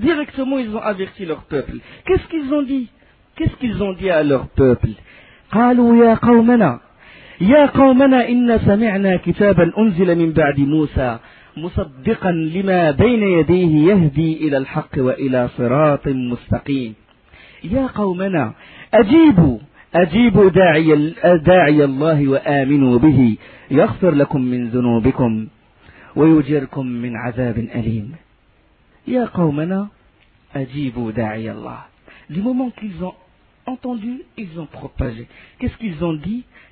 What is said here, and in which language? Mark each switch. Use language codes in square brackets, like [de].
[fr] Directement ils ont averti leur peuple. Qu'est-ce qu'ils ont dit à leur peuple? [ar] قالوا يا قومنا ان سمعنا كتابا انزل من بعد موسى مصدقا لما بين يديه يهدي الى الحق والى صراط مستقيم. يا قومنا اجيبوا داعي الله وامنوا به يغفر لكم من ذنوبكم ويجركم من عذاب اليم. يا قومنا اجيبوا داعي الله. [fr] Du moment qu'ils ont entendu, ils ont propagé. Qu'est-ce qu'ils ont dit?